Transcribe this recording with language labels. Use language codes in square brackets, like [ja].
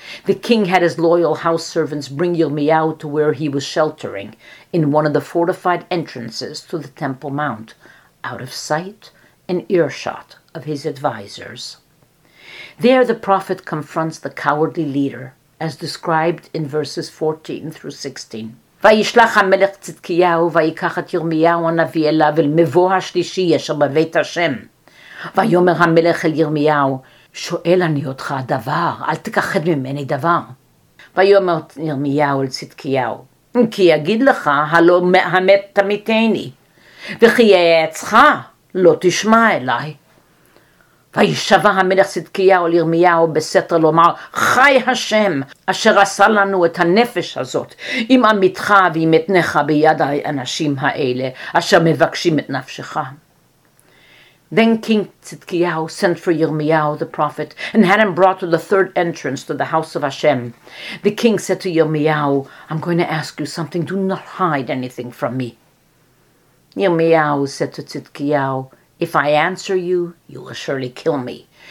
[en] The king had his loyal house servants bring Yirmiyahu to where he was sheltering, in one of the fortified entrances to the Temple Mount, out of sight and earshot of his advisors. There the prophet confronts the cowardly leader, as described in verses 14 through 16. [he] וישלח המלך צדקיהו ויקח את ירמיהו הנביא אליו אל מבוא השלישי אשר בבית השם. ויאמר המלך אל ירמיהו, שואל אני אותך דבר, אל תכחד ממני דבר. ויאמר ירמיהו אל צדקיהו, כי יגיד לך הלא המת תמיתני, וכי יעצך לא תשמע אליי. וישבה המלך צדקיהו לירמיהו בסתר לומר, חי השם, אשר עשה לנו את הנפש הזאת, עם עמיתך ועם עתנך ביד האנשים האלה, אשר מבקשים את נפשך. [en] Then King Tzidkiyahu sent for Yirmiyahu the prophet and had him brought to the third entrance to the house of Hashem. The king said to Yirmiyahu, I'm going to ask you something. Do not hide anything from me. Yirmiyahu said to Tzidkiyahu, if I answer you, you will surely kill me.